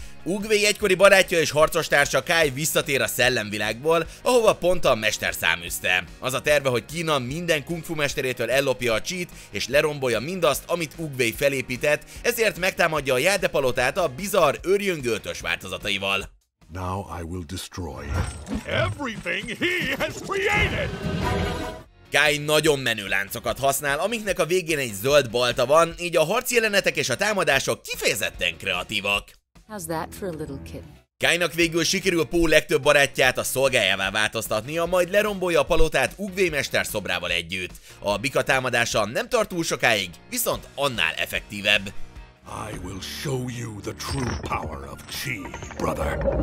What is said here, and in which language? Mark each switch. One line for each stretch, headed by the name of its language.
Hungarian: Oogway egykori barátja és harcostársa Kai visszatér a szellemvilágból, ahova pont a mester száműzte. Az a terve, hogy Kína minden kungfu mesterétől ellopja a csít és lerombolja mindazt, amit Oogway felépített, ezért megtámadja a Jáde palotát a bizarr őrjöngő ötös változataival.
English: Now I will destroy everything he has created!
Hungarian: Kai nagyon menő láncokat használ, amiknek a végén egy zöld balta van, így a harci jelenetek és a támadások kifejezetten kreatívak.
English: How's that for a little kid?
Hungarian: Kainak végül sikerül Pooh legtöbb barátját a szolgájává változtatnia, majd lerombolja a palotát Oogway mester szobrával együtt. A bika támadása nem tart túl sokáig, viszont annál effektívebb.
English: I will show you the true power of chi, brother.